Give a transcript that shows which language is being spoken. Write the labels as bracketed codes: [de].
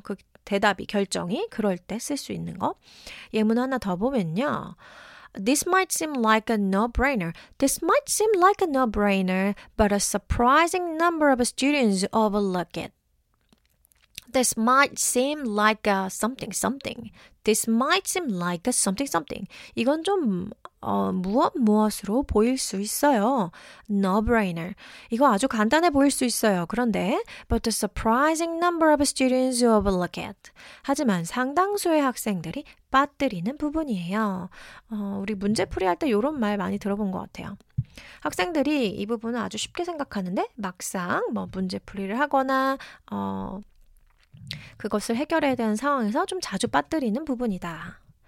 [ko] 그 대답이, 결정이 그럴 때 쓸 수 있는 거. 예문 하나 더 보면요. [en] This might seem like a no-brainer. This might seem like a no-brainer, but a surprising number of students overlook it. This might seem like a something something. This might seem like a something something. [ko] 이건 좀 무엇 무엇으로 보일 수 있어요. [en] No-brainer. [ko] 이거 아주 간단해 보일 수 있어요. 그런데 [en] But the surprising number of students overlook it. [ko] 하지만 상당수의 학생들이 빠뜨리는 부분이에요. 우리 문제풀이 할 때 이런 말 많이 들어본 것 같아요. 학생들이 이 부분은 아주 쉽게 생각하는데 막상 뭐 문제풀이를 하거나 그것을 해결해야 되는 상황에서 좀 자주 빠뜨리는 부분이다.